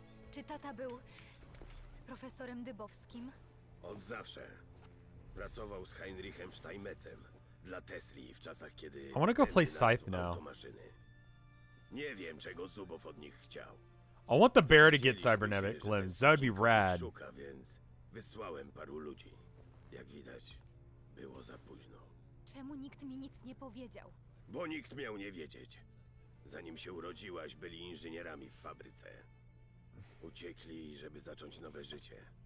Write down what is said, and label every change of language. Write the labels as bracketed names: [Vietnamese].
[Polish] Czy tata był profesorem Dybowskim? Od zawsze. Pracował z Heinrichem Steinmetzem dla Tesli w czasach, kiedy... [English] I wanna go play Scythe now. Automaszyny. [Polish] Nie wiem, czego Zubow od nich chciał. [English] I want the bear to get cybernetic limbs. That would be rad. [Polish] Szuka, więc wysłałem paru ludzi. Jak widać, było za późno. Czemu nikt mi nic nie powiedział? Bo nikt miał nie wiedzieć. Zanim się urodziłaś, byli inżynierami w fabryce. Uciekli, żeby zacząć nowe życie.